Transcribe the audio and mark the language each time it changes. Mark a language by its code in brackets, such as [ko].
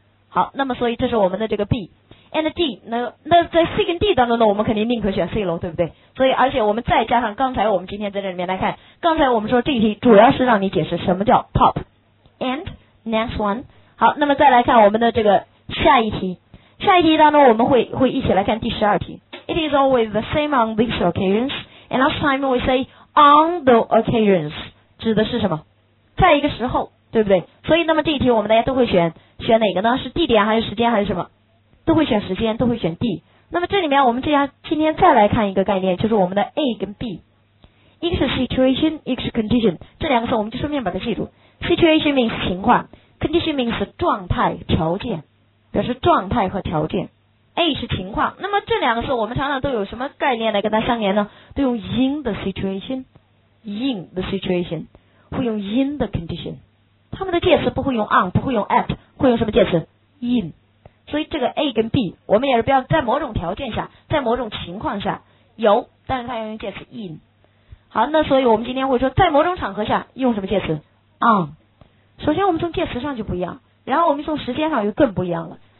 [zh] 好，那么所以这是我们的这个 B。and D， 那在 C 跟 D 当中呢，我们肯定宁可选 C 咯，对不对？所以而且我们再加上刚才我们今天在这里面来看，刚才我们说这一题主要是让你解释什么叫 pop。 [en] and next one。 [zh] 好，那么再来看我们的这个下一题，下一题当中我们会一起来看第十二题。 [en] It is always the same on these occasions. And last time we say on the occasions [zh] 指的是什么？在一个时候，对不对？所以那么这一题我们大家都会选哪个呢？是地点还是时间还是什么？都会选时间，都会选地。那么这里面我们今天再来看一个概念，就是我们的 A 跟 B， 一个是 situation， 一个是 condition。这两个词我们就顺便把它记住。situation means 情况， condition means 状态条件，表示状态和条件。 A 是情况，那么这两个词我们常常都有什么概念来跟它相连呢？都用 in the situation， in the situation， 会用 in the condition， 它们的介词不会用 on， 不会用 at， 会用什么介词？ [en] in。 [zh] 所以这个 A 跟 B 我们也是不要在某种条件下，在某种情况下有，但是它要用介词 in。好，那所以我们今天会说在某种场合下用什么介词？ [en] on。 [zh] 首先我们从介词上就不一样，然后我们从时间上又更不一样了。